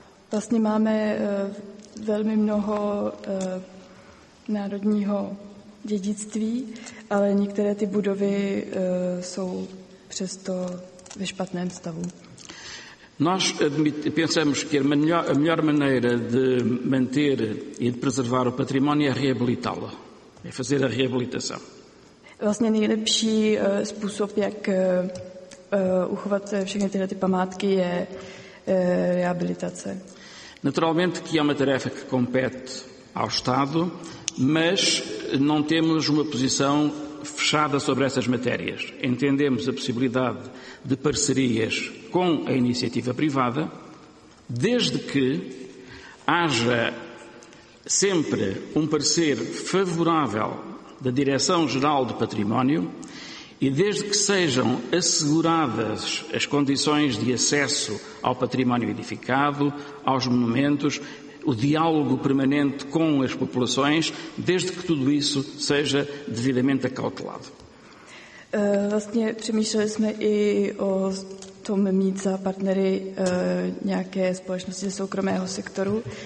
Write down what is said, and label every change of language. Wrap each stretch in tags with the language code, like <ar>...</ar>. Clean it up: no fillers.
<cs>Vlastně máme velmi mnoho národního dědictví, ale některé ty budovy jsou přesto ve špatném stavu.</cs> <pt>Nós pensamos que a melhor maneira de manter e de preservar o património é reabilitá-lo, é fazer a reabilitação.</pt> <cs>Vlastně nejlepší způsob, jak uchovat všechny tyhle ty památky, je rehabilitace.</cs> <pt>Naturalmente que é uma tarefa que compete ao Estado, mas não temos uma posição fechada sobre essas matérias. Entendemos a possibilidade de parcerias com a iniciativa privada, desde que haja sempre um parecer favorável da Direção-Geral do Património e desde que sejam asseguradas as condições de acesso ao património edificado, aos monumentos, o diálogo permanente com as populações, desde que tudo isso seja devidamente acautelado.</pt> <cs>Vlastně přemýšleli jsme i o tom mít za partnery nějaké společnosti ze soukromého sektoru.</cs>